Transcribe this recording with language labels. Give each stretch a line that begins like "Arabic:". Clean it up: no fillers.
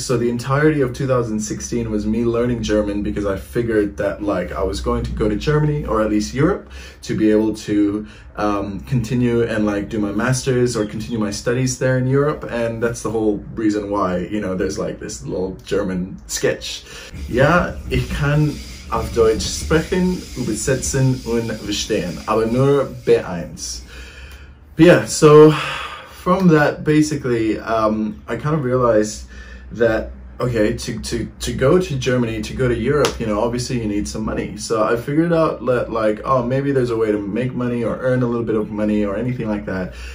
English: So the entirety of 2016 was me learning German, because I figured that, like, I was going to go to Germany, or at least Europe, to be able to continue and, like, do my master's or continue my studies there in Europe. And that's the whole reason why, you know, there's like this little German sketch.
German: Ja, ich kann auf Deutsch sprechen, übersetzen und verstehen, aber nur B1.
English: But yeah, so from that, basically, I kind of realized that, okay, to go to Germany, to go to Europe, you know, obviously you need some money. So I figured out that, like, oh, maybe there's a way to make money or earn a little bit of money or anything like that.